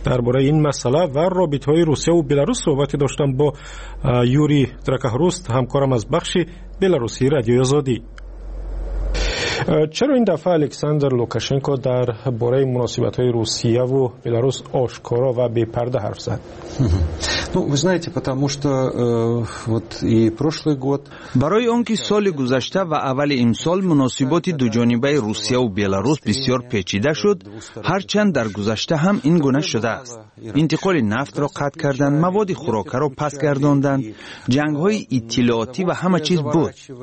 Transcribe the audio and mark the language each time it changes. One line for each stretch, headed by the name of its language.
Persian: درباره این مسئله و رابطه‌های روسیه و بلاروس صحبت داشتم با یوری دراکهروست همکارم از بخش بلاروسی رادیو آزادی. چرا این دفعه الکساندر لوکاشنکو در باره مناسبت های روسیه و بلاروس آشکارا و بی پرده حرف زد؟
Russian: Ну, вы знаете, потому что вот и прошлый год.
Tajik: Барои он ки соли гузашта ва авали имсол муносиботи ду ҷонибаи Русия ва Беларус бисёр печида шуд, ҳарчанд дар гузашта ҳам ин гуна шудааст. Интиқоли нафтро қатъ карданд, маводи хӯрокаро пас гардонданд, ҷангҳои иттилоотӣ ва ҳама чиз буд.